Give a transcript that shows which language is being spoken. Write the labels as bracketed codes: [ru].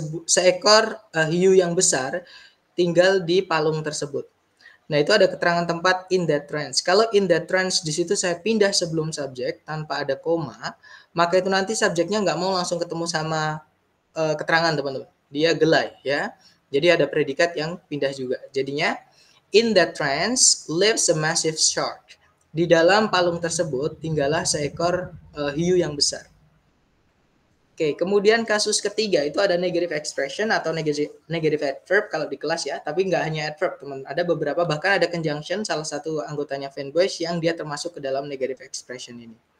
[id] Seekor hiu yang besar tinggal di palung tersebut. Nah, itu ada keterangan tempat [en] in that trench. [id] Kalau in that trench di situ saya pindah sebelum subjek tanpa ada koma, maka itu nanti subjeknya nggak mau langsung ketemu sama keterangan, teman-teman. Dia gelai, ya. Jadi ada predikat yang pindah juga. [en] Jadinya, in that trench lives a massive shark. [id] Di dalam palung tersebut tinggallah seekor hiu yang besar. Oke, kemudian kasus ketiga itu ada negative expression atau negative adverb kalau di kelas ya. Tapi nggak hanya adverb, teman. Ada beberapa, bahkan ada conjunction salah satu anggotanya Fanboys yang dia termasuk ke dalam negative expression ini.